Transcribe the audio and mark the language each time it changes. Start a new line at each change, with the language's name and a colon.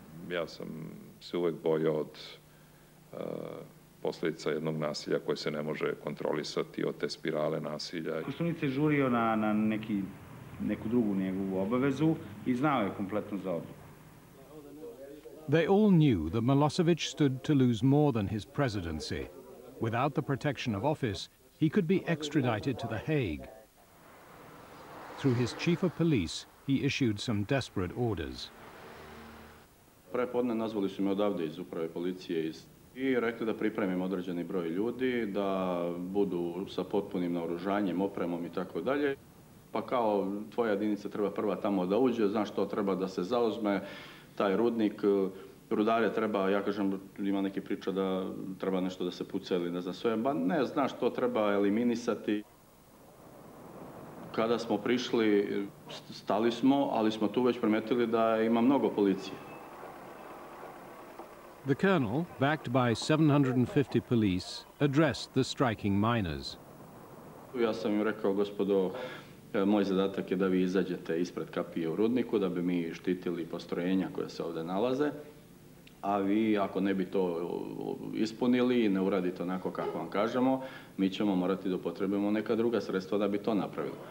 Serbian: Ja sam se uvek bojao od posledica jednog nasilja koje se ne može kontrolisati, od te spirale nasilja. Koštunica je žurio na neku drugu njegovu obavezu i znao je kompletno za odluku.
English: They all knew that Milosevic stood to lose more than his presidency. Without the protection of office, he could be extradited to The Hague. Through his chief of police, he issued some desperate orders.
Serbian: Pre podne nazvali su me odavde iz uprave policije i rekli da pripremim određeni broj ljudi, da budu sa potpunim naoružanjem, opremom i tako dalje. Pa kao tvoja jedinica treba prva tamo da uđe, znaš to treba da se zauzme, taj rudnik, rudare treba, ja kažem, ima neke priče da treba nešto da se puca ili ne znam sve, ba ne, znaš, to treba eliminisati. Kada smo prišli, stali smo, ali smo tu već primetili da ima mnogo policije.
English: The colonel, backed by 750 police, addressed the striking miners.
Serbian: Ja sam im rekao, gospodo, moj zadatak je da vi izađete ispred kapije u rudniku, da bi mi štitili postrojenja koja se ovde nalaze, a vi ako ne bi to ispunili i ne uradite onako kako vam kažemo, mi ćemo morati da upotrebimo neka druga sredstva da bi to napravili.